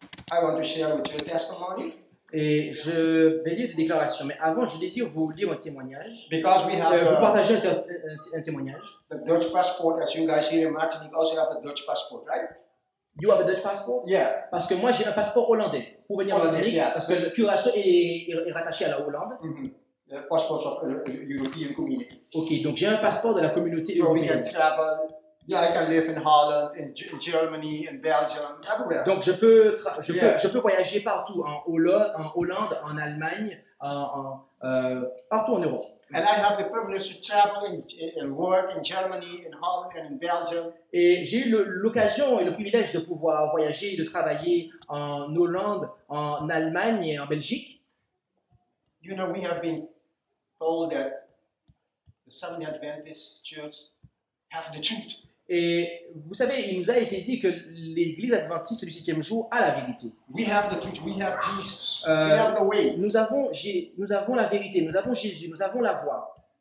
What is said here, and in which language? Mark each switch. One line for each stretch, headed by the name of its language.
English: I want to share with you a testimony.
French: Et je vais lire une déclaration, mais avant, je désire vous lire un témoignage.
English: Because we have
French: vous partagez un témoignage.
English: The Dutch passport, as you guys here in Martinique, also have a Dutch passport, right? You have a Dutch passport? Yeah.
French: Parce que moi, j'ai un passeport hollandais pour venir en Martinique, parce que le Curaçao est rattaché à la Hollande. Mm-hmm.
English: The passport of the European community.
French: Ok, donc j'ai un passeport de la communauté
English: so
French: européenne.
English: So we can travel. Yeah, I can live in Holland, in Germany, in Belgium, everywhere.
French: Donc je peux voyager partout en Hollande, en Allemagne, partout en Europe.
English: And I have the privilege to travel and work in Germany, in Holland, and in Belgium.
French: Et j'ai l'occasion et le privilège de pouvoir voyager et de travailler en Hollande, en Allemagne et en Belgique.
English: You know, we have been told that the Seventh-day Adventist Church have the truth.
French: Et vous savez, il nous a été dit que l'Église adventiste du septième jour a la vérité.
English: We have the truth, we have Jesus, we have the way.
French: Nous avons la vérité, nous avons Jésus, nous avons la voie.